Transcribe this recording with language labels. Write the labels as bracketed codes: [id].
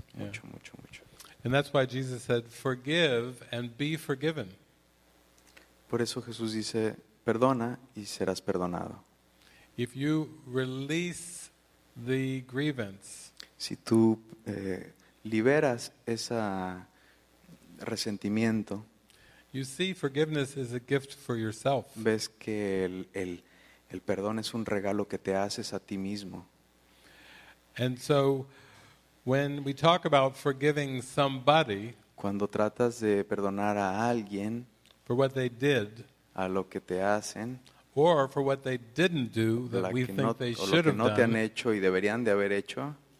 [es] Mucho, yeah. Mucho, mucho. [en] And that's why Jesus said, forgive and be forgiven. [es] Por eso Jesús dice, perdona y serás perdonado. [en] If you release the grievance, [es] si tú liberas ese resentimiento, [en] you see, forgiveness is a gift for yourself. [es] Ves que el perdón es un regalo que te haces a ti mismo. [en] And so, when we talk about forgiving somebody, [es] cuando tratas de perdonar a alguien, [en] for what they did, [es] a lo que te hacen, [en] or for what they didn't do that we think they should have done, [es] o lo que no te han hecho y deberían de haber hecho.